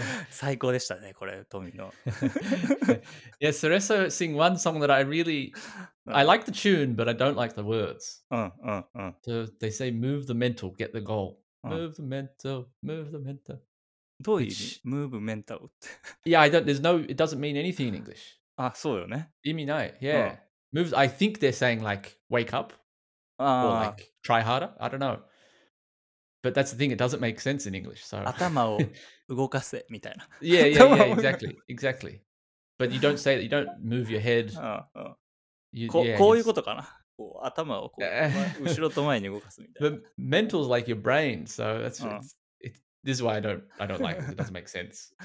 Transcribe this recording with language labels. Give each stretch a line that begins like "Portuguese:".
Japanese: 最高でしたね、これ、トミーの。
English: Yeah, Sresa sing one song that I really... I like the tune, but I don't like the words. So they say, move the mental, get the goal. Move the mental, move the mental.
Japanese: どういう意味?
English: Move mental. Yeah, I don't, there's no, it doesn't mean anything in English.
Japanese: あ、そうよね。意味ない。Yeah.
English: Move, I think they're saying like, wake up. Or like, try harder. I don't know. But that's the thing, it doesn't make sense in English. So.
Japanese: 頭を動かせみたいな。
English: Yeah, exactly. Exactly. But you don't say that, you don't move your head.
Japanese: こういうことかな。こう頭をこう後ろと前に動かすみたいな。
English: But mental is like your brain, so that's it, this is why I don't like it. It doesn't make sense.